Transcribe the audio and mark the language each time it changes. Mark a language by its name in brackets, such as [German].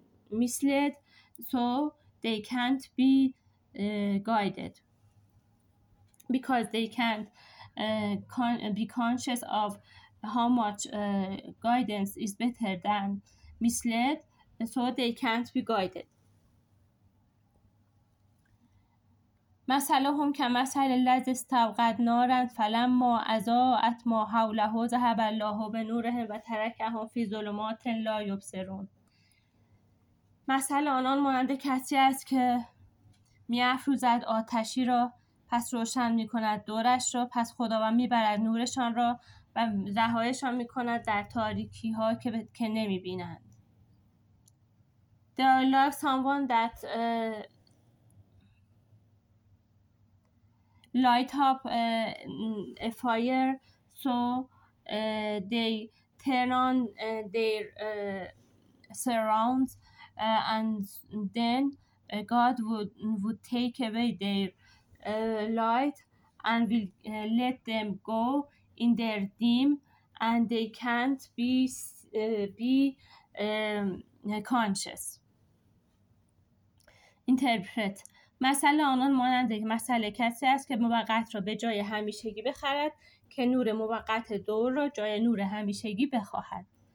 [English] misled, so they can't be guided because they can't be conscious of how much guidance is better than misled, so they can't be guided. [Arabic] مثلهم كمثل الذي استوقد نارا فلما اضاءت ما حوله ذهب الله بنورهم وتركهم في ظلمات لا يبصرون. [Persian] مثل آنان مانند کسی است که می افروزد آتشی را پس روشن می کند دورش را، پس خداوند می برد نورشان را و رهایشان می کند در تاریکی ها که نمی بینند. [English] There are like someone that light up a fire, so they turn on their surrounds. And then God would take away their light and will let them go in their dim, and they can't be conscious. Interpret. [Persian] مثل آنان مانند مثل کسی است که موقت را به جای همیشگی بخرد، که نور موقت دور را جای نور همیشگی بخواهد.